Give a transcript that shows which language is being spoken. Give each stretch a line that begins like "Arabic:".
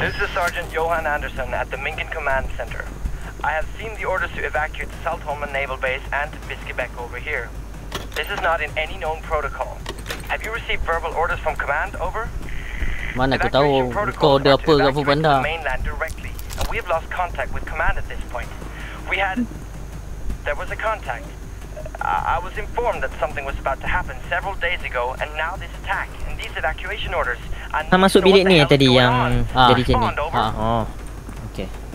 English: This is Sergeant Johan Anderson at the Minkin Command Center. I have seen the orders to evacuate Saltholmen Naval Base and Biskebek over here. This is not in any known protocol. Have you received verbal orders from command over?
Malay: Mana aku tahu kau ada apa ke apa benda.
English: Mainland directly, and we have lost contact with command at this point. We had... There was a contact. I was informed that something was about to happen several days ago, and now this attack, and these evacuation orders...
Malay: Ha, masuk bilik ni tadi yang... Jadi macam ni. Oh. Okay.